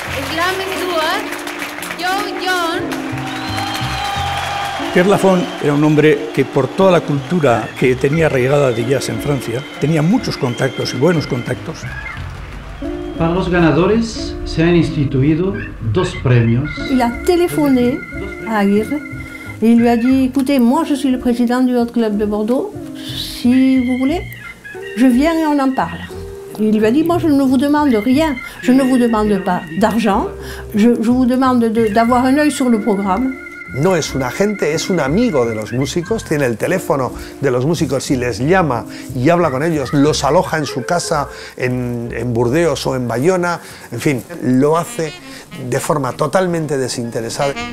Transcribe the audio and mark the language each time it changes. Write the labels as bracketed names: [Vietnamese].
[English] Slam Stewart, Joe Jones. [Spanish] Pierre Lafont era un hombre que por toda la cultura que tenía arraigada de jazz en Francia, tenía muchos contactos y buenos contactos. Para los ganadores se han instituido dos premios. [French] Il a téléphoné à Aguirre et il lui a dit, écoutez, moi je suis le président du Hot Club de Bordeaux, si vous voulez, je viens et on en parle. Il lui a dit, moi je ne vous demande rien, je ne vous demande pas d'argent, je vous demande d'avoir un œil sur le programme. [Spanish] No es un agente, es un amigo de los músicos, tiene el teléfono de los músicos y les llama y habla con ellos, los aloja en su casa, en Burdeos o en Bayona, en fin, lo hace de forma totalmente desinteresada.